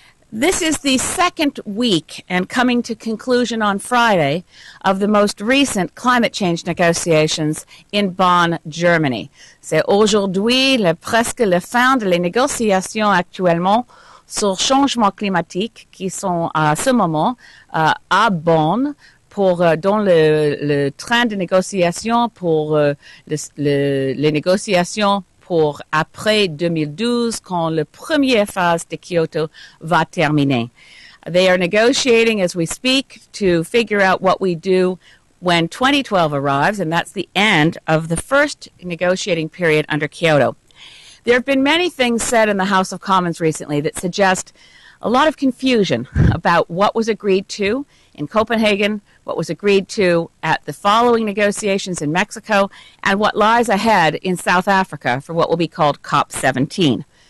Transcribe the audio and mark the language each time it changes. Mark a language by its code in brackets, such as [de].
[en] This is the second week and coming to conclusion on Friday of the most recent climate change negotiations in Bonn, Germany. [fr] C'est aujourd'hui presque la fin de les négociations actuellement sur changement climatique qui sont à ce moment à Bonn pour dans le train de négociation pour les négociations pour après 2012, quand la première phase de Kyoto va terminer. [en] They are negotiating as we speak to figure out what we do when 2012 arrives, and that's the end of the first negotiating period under Kyoto. There have been many things said in the House of Commons recently that suggest a lot of confusion about what was agreed to in Copenhagen, what was agreed to at the following negotiations in Mexico, and what lies ahead in South Africa for what will be called COP17.